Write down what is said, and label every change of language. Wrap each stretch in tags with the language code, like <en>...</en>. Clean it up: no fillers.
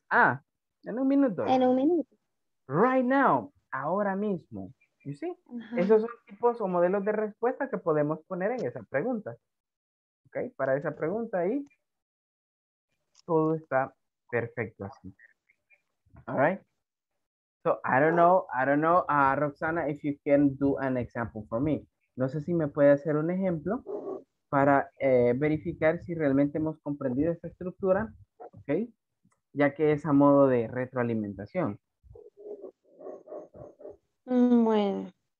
<es>Ah, en un minuto. En un minuto.</es> <en>Right now,</en> <es>ahora mismo.</es> <en>You see? Uh-huh.</en> <es>Esos son tipos o modelos de respuesta que podemos poner en esa pregunta. Okay, para esa pregunta ahí, todo está perfecto así.</es> <en>All right? So, I don't know, Roxana, if you can do an example for me.</en> <es>No sé si me puede hacer un ejemplo para verificar si realmente hemos comprendido esta estructura, ¿ok? Ya que es a modo de retroalimentación. Bueno.</es>